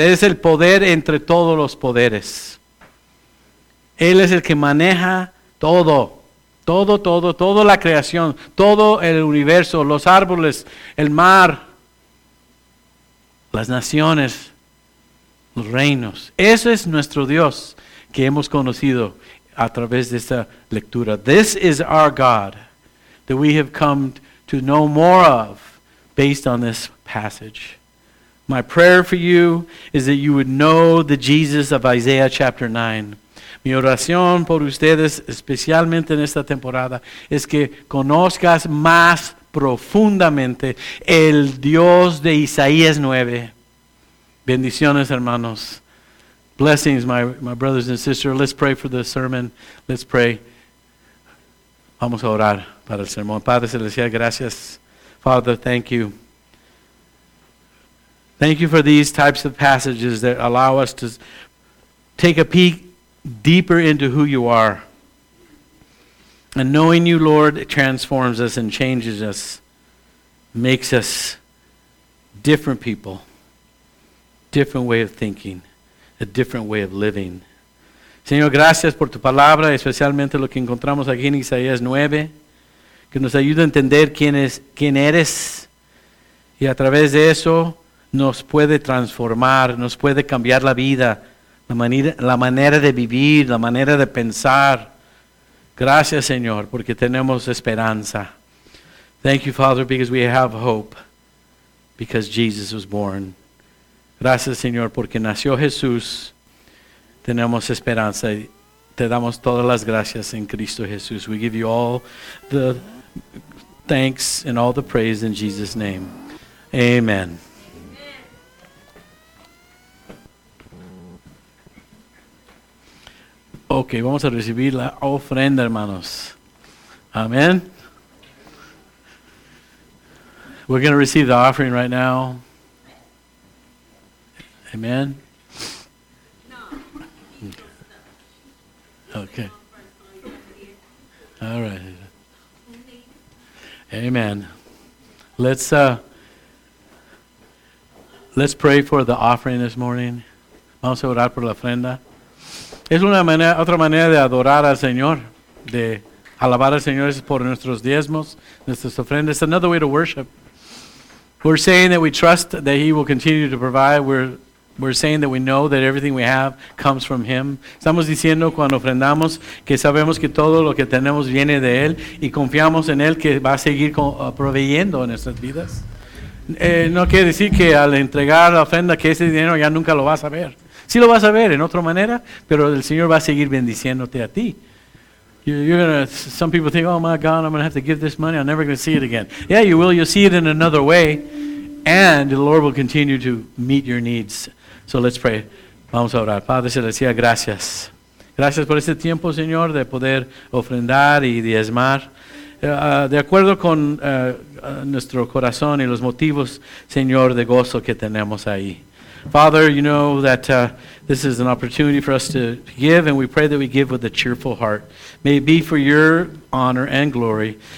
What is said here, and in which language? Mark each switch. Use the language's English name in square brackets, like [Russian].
[Spanish] Es el poder entre todos los poderes. Él es el que maneja todo. Todo, todo, toda la creación, todo el universo, los árboles, el mar, las naciones, los reinos. Ese es nuestro Dios que hemos conocido a través de esta lectura. [English] This is our God that we have come to know more of based on this passage. My prayer for you is that you would know the Jesus of Isaiah chapter 9. [Spanish] Mi oración por ustedes, especialmente en esta temporada, es que conozcas más profundamente el Dios de Isaías 9. Bendiciones, hermanos. [English] Blessings, my brothers and sisters. Let's pray for the sermon. Let's pray. [Spanish] Vamos a orar para el sermón. Padre Celestial, gracias. [English] Father, thank you. Thank you for these types of passages that allow us to take a peek deeper into who you are. And knowing you, Lord, it transforms us and changes us, makes us different people, different way of thinking, a different way of living. [Spanish] Señor, gracias por tu palabra, especialmente lo que encontramos aquí en Isaías 9, que nos ayuda a entender quién eres, y a través de eso nos puede transformar, nos puede cambiar la vida. La manera de vivir, la manera de pensar. Gracias, Señor, porque tenemos esperanza. [English] Thank you, Father, because we have hope, because Jesus was born. [Spanish] Gracias, Señor, porque nació Jesús. Tenemos esperanza. Te damos todas las gracias en Cristo Jesús. [English] We give you all the thanks and all the praise in Jesus' name. Amen. [Spanish] Ok, vamos a recibir la ofrenda, hermanos. Amén. [English] We're going to receive the offering right now. Amén. No. Okay. All right. Amen. Let's pray for the offering this morning. [Spanish] Vamos a orar por la ofrenda. Es una manera, otra manera de adorar al Señor, de alabar al Señor es por nuestros diezmos, nuestras ofrendas. [English] It's another way to worship. We're saying that we trust that He will continue to provide. We're saying that we know that everything we have comes from Him. [Spanish] Estamos diciendo cuando ofrendamos que sabemos que todo lo que tenemos viene de Él y confiamos en Él que va a seguir proveyendo en nuestras vidas. No quiere decir que al entregar la ofrenda que ese dinero ya nunca lo vas a ver. Sí lo vas a ver en otra manera, pero el Señor va a seguir bendiciéndote a ti. [English] Some people think, oh my God, I'm going to have to give this money. I'm never going to see it again. Yeah, you will. You'll see it in another way. And the Lord will continue to meet your needs. So let's pray. [Spanish] Vamos a orar. Padre Celestial, gracias. Gracias por este tiempo, Señor, de poder ofrendar y diezmar. De acuerdo con nuestro corazón y los motivos, Señor, de gozo que tenemos ahí. [English] Father, you know that this is an opportunity for us to give, and we pray that we give with a cheerful heart. May it be for your honor and glory.